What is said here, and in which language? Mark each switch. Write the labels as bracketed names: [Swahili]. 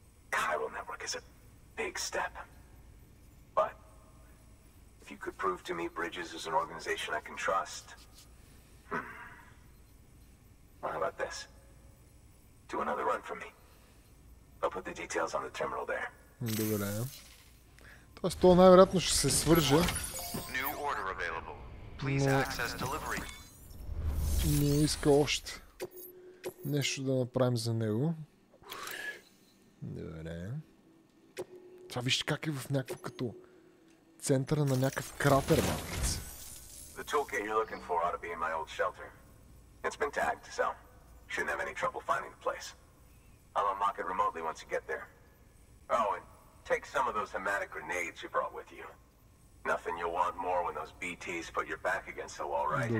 [English] Chiral Network is a big step. But... If you could prove to me Bridges is an organization I can trust. Well, how about this? Do another run for me. I'll put the details on the terminal there. [Bulgarian] Добре. Тоест, то най-вероятно ще се свържа. [English] New order available. Please access delivery. [Bulgarian] Не иска още нещо да направим за него. Добре. Това вижте как е в някакво като... центъра на някакъв кратер, мабец. [English] The toolkit you're looking for ought to be in my old shelter. It's been tagged, so shouldn't have any trouble finding the place. I'll unlock it remotely once you get there. Oh, and take some of those hematic grenades you brought with you. Nothing you'll want more when those BTs put your back against the wall, right?